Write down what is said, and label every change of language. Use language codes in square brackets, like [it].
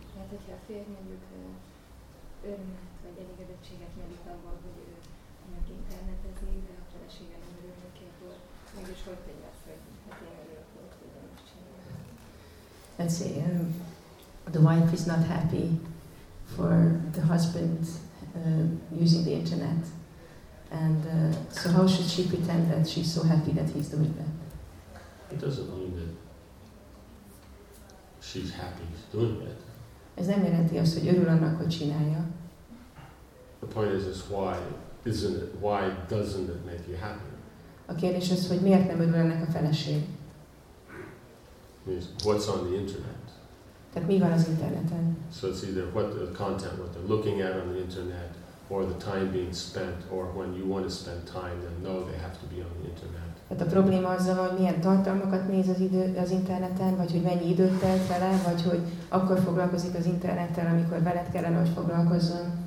[hu] Hogyha a férj mondjuk örömet vagy elégedettséget merít abban, hogy ő meg internetezi, de a felesége nem örül neki, akkor mégis hogy tegye azt, hogy hát én örülök, hogy tudom is csinálni. [en] Let's say, the wife is not happy for the husband using the internet. And so how should she pretend that she's so happy that he's doing that? It doesn't mean that she's happy he's doing that. [hu] Ez nem jelenti azt, hogy örül annak, hogy csinálja. [en] The point is why isn't it? Why doesn't it make you happy? [hu] A kérdés az, hogy miért nem örül ennek a feleség. [en] Means what's on the internet? [hu] Tehát mi van az interneten? [en] So it's either what the content, what they're looking at on the internet, or the time being spent, or when you want to spend time, then no, they have to be on the internet. [hu] Tehát a probléma azzal, hogy milyen tartalmakat néz az idő az interneten, vagy hogy mennyi időt telt vele, vagy hogy akkor foglalkozik az internettel, amikor veled kellene, hogy foglalkozzon.